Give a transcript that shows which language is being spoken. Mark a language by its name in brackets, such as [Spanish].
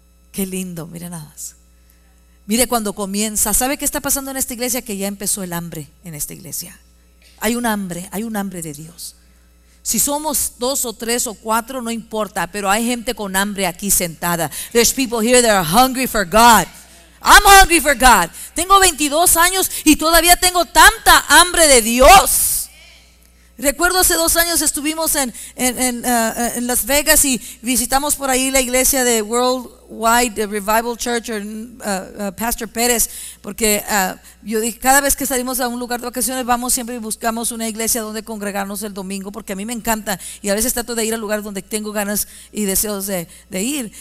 [Spanish] Qué lindo, mire nada más. Mire cuando comienza. ¿Sabe qué está pasando en esta iglesia? Que ya empezó el hambre en esta iglesia. Hay un hambre de Dios. Si somos dos o tres o cuatro, no importa, pero hay gente con hambre aquí sentada. [English] There's people here that are hungry for God. I'm hungry for God. [Spanish] Tengo 22 años y todavía tengo tanta hambre de Dios. Recuerdo hace dos años estuvimos en Las Vegas y visitamos por ahí la iglesia de Worldwide Revival Church, Pastor Pérez, porque yo dije, cada vez que salimos a un lugar de vacaciones vamos siempre y buscamos una iglesia donde congregarnos el domingo, porque a mí me encanta y a veces trato de ir al lugar donde tengo ganas y deseos de ir.